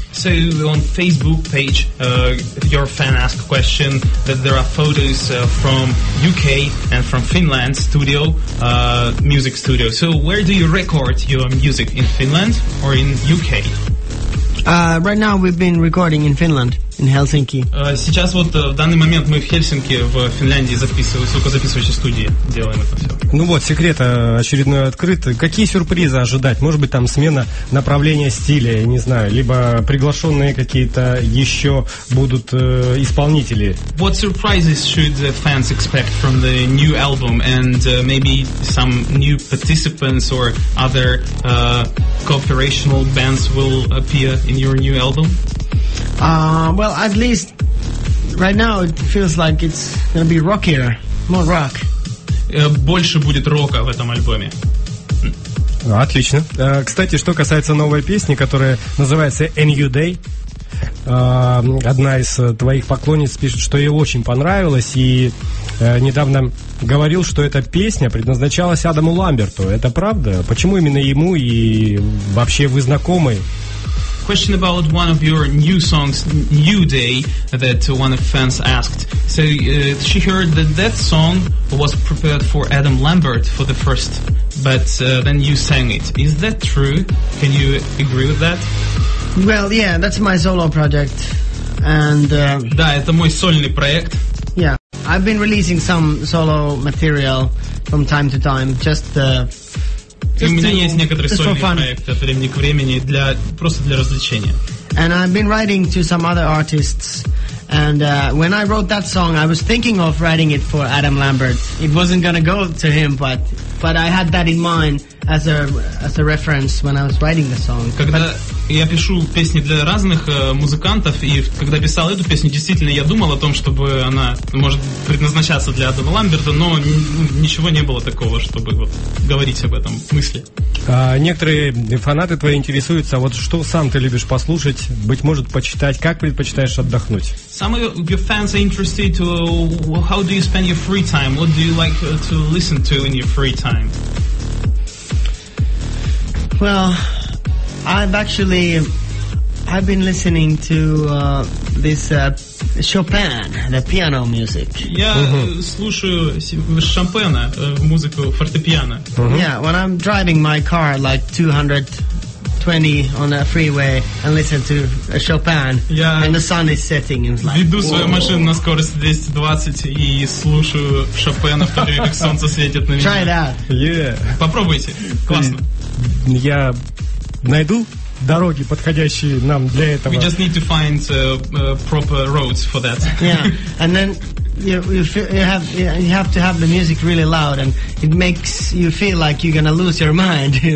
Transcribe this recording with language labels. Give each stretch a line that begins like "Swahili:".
English: So on Facebook page your fan asked a question that there are photos from UK and from Finland studio, music studio. So where do you record your music, in Finland or in UK? Right now we've been recording in Finland. in Helsinki?
Russian: Сейчас вот в данный момент мы в Хельсинки, в Финляндии записываем, звукозаписывающей студии делаем это все. Ну вот, секрет очередной открыт. Какие сюрпризы ожидать? Может быть, там смена направления стиля, я не знаю, либо приглашенные какие-то еще будут исполнители?
English: What surprises should the fans expect from the new album and maybe some new participants or other cooperational bands will appear in your new album? Well, at least right now it feels like it's gonna be rockier, more rock.
Russian: Больше будет рока в этом альбоме. Ну, отлично. Кстати, что касается новой песни, которая называется A New Day, одна из твоих поклонниц пишет, что ей очень понравилось, и недавно говорил, что эта песня предназначалась Адаму Ламберту. Это правда? Почему именно ему и вообще вы знакомы?
English: Question about one of your new songs, New Day, that one of fans asked. So she heard that that song was prepared for Adam Lambert for the first, but then you sang it. Is that true? Can you agree with that? Well, yeah, that's my solo project. And
Russian: да, это мой сольный проект.
English: Yeah, I've been releasing some solo material from time to time, just
Russian: у меня есть некоторые сольные проекты от времени к времени для просто для развлечения.
English: And I've been writing to some other artists. And when I wrote that song, I was thinking of writing it for Adam Lambert. It wasn't gonna go to him, but I had that in mind as a reference when I was writing the song.
Russian: Когда я пишу песни для разных музыкантов, и когда писал эту песню, действительно, я думал о том, чтобы она может предназначаться для Адама Ламберта, но ничего не было такого, чтобы вот говорить об этом мысли. Некоторые фанаты твои интересуются, вот что сам ты любишь послушать, быть может, почитать, как предпочитаешь отдохнуть?
English: Some of your fans are interested to how do you spend your free time? What do you like to listen to in your free time? Well, I've been listening to this Chopin, the piano music.
Russian: Я слушаю Шопена, музыку фортепиано.
English: Yeah, when I'm driving my car like 220 on a freeway and listen to Chopin, and the sun is setting, it's like.
Russian: Веду свою машину на скорости 220 и слушаю Шопена в то время, как солнце светит на меня.
English: Try that.
Russian: Yeah. Попробуйте. Классно. Я найду дороги, подходящие нам для этого.
English: We just need to find proper roads for that. Yeah, and then you have to have the music really loud, and it makes you feel like you're gonna lose your mind.